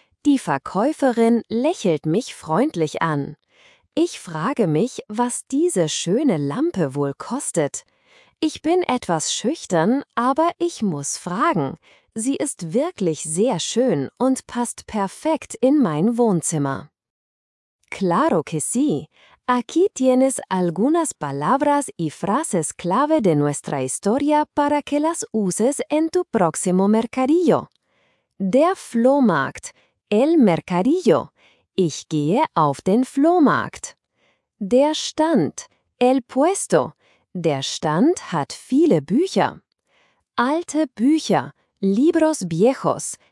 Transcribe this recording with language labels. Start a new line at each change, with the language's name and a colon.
German: Die Verkäuferin lächelt mich freundlich an. Ich frage mich, was diese schöne Lampe wohl kostet. Ich bin etwas schüchtern, aber ich muss fragen. Sie ist wirklich sehr schön und passt perfekt in mein Wohnzimmer.
Spanish: Claro que sí. Aquí tienes algunas palabras y frases clave de nuestra historia para que las uses en tu próximo mercadillo.
German: Der Flohmarkt,
Spanish: el mercadillo.
German: Ich gehe auf den Flohmarkt. Der Stand,
Spanish: el puesto.
German: Der Stand hat viele Bücher. Alte Bücher,
Spanish: libros viejos.